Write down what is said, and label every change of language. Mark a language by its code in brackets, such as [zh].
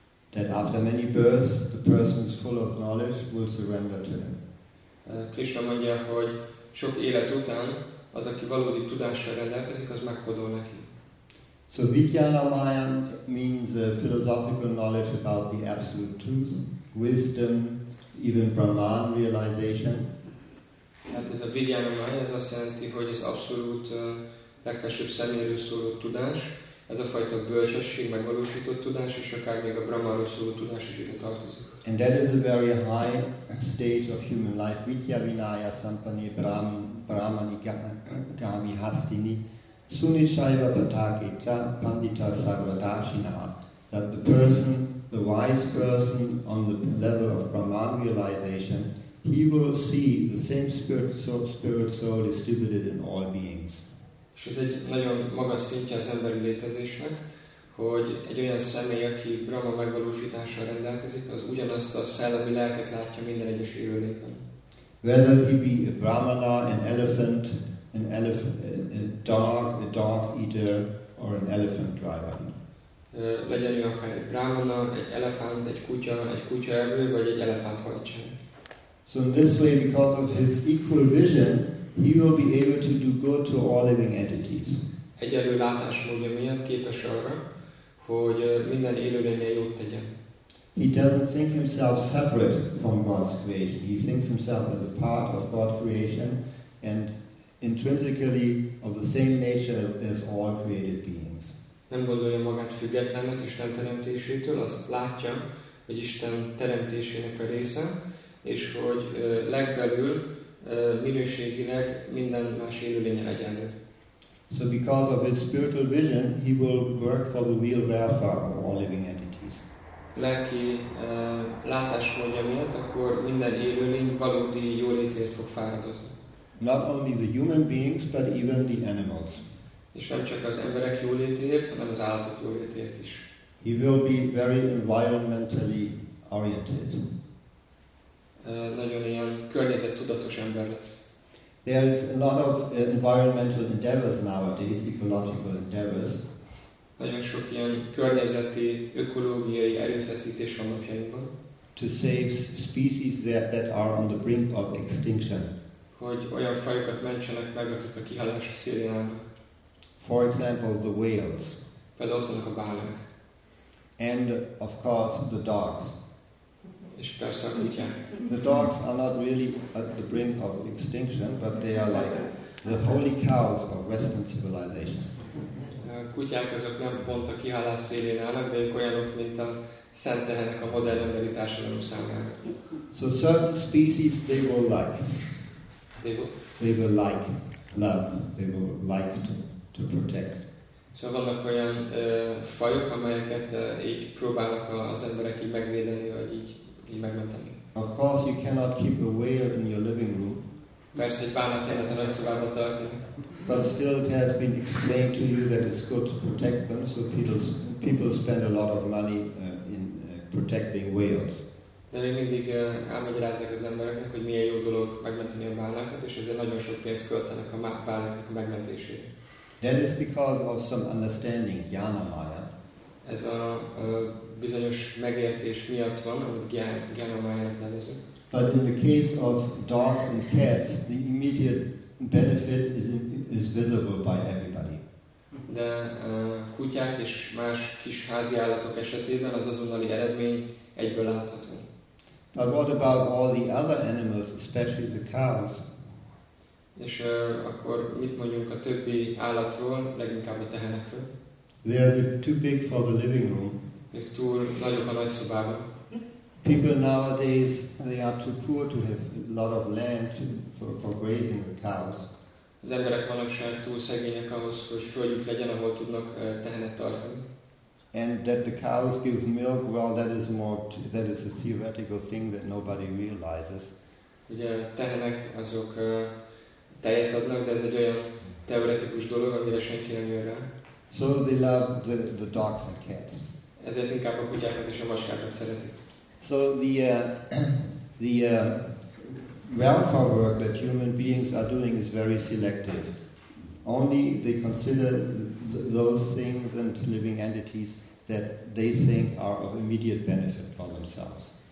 [en] That after many births, the person is full of knowledge will surrender to him. [hu] Krishna mondja, hogy sok élet után az, aki valódi tudással rendelkezik, az meghódol neki. [en] So Vijnana Maya means philosophical knowledge about the absolute truth, wisdom, even Brahman realization. [hu] Hát ez a Vijnana Maya, ez azt jelenti, hogy az abszolút legfelsőbb személyről szóló tudás, ez a fajta bölcsesség, megvalósított tudás, és akár még a Brahmanról szóló tudás is ide tartozik. [en] And that is a very high stage of human life. [sa] Vidya Vinaya Sampani Brahmani Gami Hastini Sunishaiva Patake Ca Pandita Sarvadashinaha. [en] That the person, the wise person on the level of Brahman realization, he will see the same spirit soul distributed in all beings. [hu] És ez egy nagyon magas szintje az emberi létezésnek, hogy egy olyan személy, aki Brahma megvalósítással rendelkezik, az ugyanazt a szellemi lelket látja minden egyes élőlényben. [en] Whether he be a brahmana, an elephant, a dog, a dog eater, or an elephant driver. [hu] Legyen ő akár egy brahmana, egy elefánt, egy kutya erő, vagy egy elefánt hajtsány. [en] So in this way, because of his equal vision, he will be able to do good to all living entities. [hu] Egyenlő látásmódja miatt képes arra, hogy minden élőlénye jót tegyen. [en] He doesn't think himself separate from God's creation. He thinks himself as a part of God's creation and intrinsically of the same nature as all created beings. [hu] Nem gondolja magát függetlennek Isten teremtésétől, azt látja, hogy Isten teremtésének a része, és hogy legbelül minőségileg minden más élőlénye egyenlő. [en] So because of his spiritual vision, he will work for the real welfare of all living entities. [hu] Lelki látásmódja miatt, akkor minden élőlény valódi jólétért fog fáradozni. [en] Not only the human beings, but even the animals. [hu] És nem csak az emberek jólétért, hanem az állatok jólétért is. [en] He will be very environmentally oriented. [hu] nagyon ilyen környezettudatos ember lesz. [en] There is a lot of environmental endeavors nowadays, ecological endeavors. [hu] Nagyon sok ilyen környezeti, ökológiai erőfeszítés van napjainkban. [en] To save species that are on the brink of extinction. [hu] Hogy olyan fajokat mentsenek meg, akik a kihalás szélén állnak. [en] For example, the whales. [hu] Például ott vannak a bálnák. [en] And of course, the dogs. [hu] És persze a kutyák. [en] The dogs are not really at the brink of extinction, but they are like the holy cows of Western civilization. [hu] Kutyák azok nem pont a kihalás szélén állnak, de ők olyanok, mint a szent tehenek a modern emberi társadalom számára. [en] So certain species they will like. They will like love. They will like to protect. [hu] Szóval vannak olyan fajok, amelyeket így próbálnak az emberek így megvédeni, vagy így megmenteni. [en] Of course, you cannot keep a whale in your living room. [hu] Persze, egy bálnát nem lehet a nagyszobában tartani. [en] But still, it has been explained to you that it's good to protect them, so people spend a lot of money in protecting whales. [hu] De még mindig elmagyarázzák az embereknek, hogy milyen jó dolog megmenteni a bálnákat, és ezért nagyon sok pénzt költenek a bálnáknak a megmentésére. [en] That is because of some understanding, Jnana Maya. [hu] Ez a bizonyos megértés miatt van, amit Jnana Mayának nevezünk. [en] But in the case of dogs and cats, the immediate benefit is visible by everybody. [hu] De kutyák és más kis házi állatok esetében az azonnali eredmény egyből látható. [en] But what about all the other animals, especially the cows? [hu] És akkor mit mondjunk a többi állatról, leginkább a tehenekről? [en] They are too big for the living room. [hu] Ők túl nagyok a nagyszobában. [en] People nowadays, they are too poor to have a lot of land for grazing the cows. [hu] Az emberek manapság túl szegények ahhoz, hogy földjük legyen, ahol tudnak tehenet tartani. [en] And that the cows give milk, well, that is a theoretical thing that nobody realizes. [hu] Ugye tehenek azok tejet adnak, de ez egy olyan teoretikus dolog, amire senki nem jön rá. [en] So they love the dogs and cats. [hu] Ezért inkább a kutyákat és a macskákat szeretik. [en] So the welfare work that human beings are doing is very selective. Only they consider those things and living entities that they think are of immediate benefit for themselves.